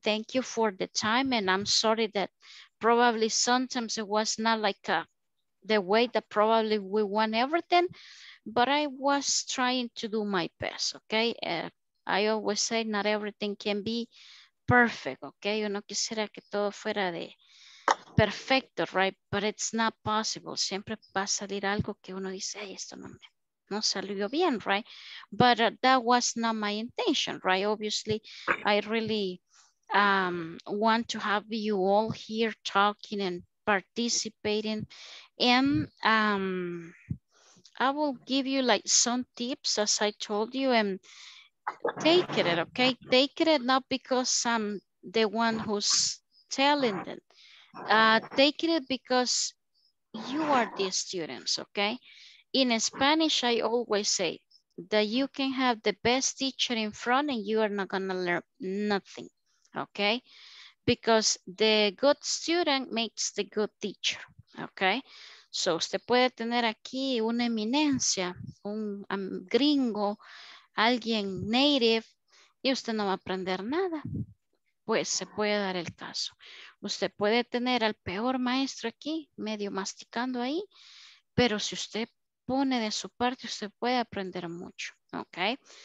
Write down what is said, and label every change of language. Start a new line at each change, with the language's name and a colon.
English: Thank you for the time. And I'm sorry that probably sometimes it was not like the way that probably we want everything, but I was trying to do my best, okay? I always say not everything can be perfect, okay?
Spanish: Uno quisiera que todo fuera de perfecto,
English: right? But it's not possible.
Spanish: Siempre va a salir algo que uno dice, ay, esto no salió bien,
English: right? But that was not my intention, right? Obviously, I really want to have you all here talking and participating. And I will give you like some tips, as I told you, and take it, okay? Take it not because I'm the one who's telling them. Take it because you are the students, okay? In Spanish, I always say that you can have the best teacher in front and you are not gonna learn nothing, okay? Because the good student makes the good teacher, okay?
Spanish: So, usted puede tener aquí una eminencia, un gringo, alguien native, y usted no va a aprender nada. Pues se puede dar el caso. Usted puede tener al peor maestro aquí, medio masticando ahí, pero si usted pone de su parte, usted puede aprender mucho, ¿ok?